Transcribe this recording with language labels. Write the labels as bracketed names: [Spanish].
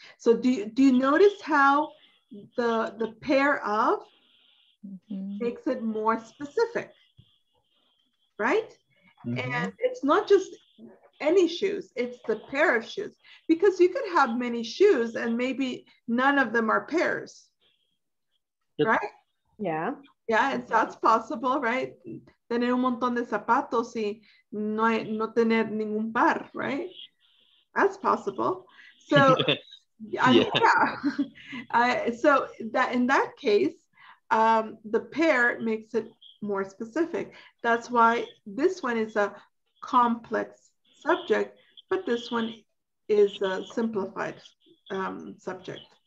[English] So do you notice how the pair of makes it more specific, right? Mm-hmm. And it's not just any shoes, it's the pair of shoes, because you could have many shoes and maybe none of them are pairs, right? Yeah, it's, that's possible, right? [Spanish] Tener un montón de zapatos y no tener ningún par, right? [English] That's possible. So so that in that case, the pair makes it more specific. That's why this one is a complex subject, but this one is a simplified subject.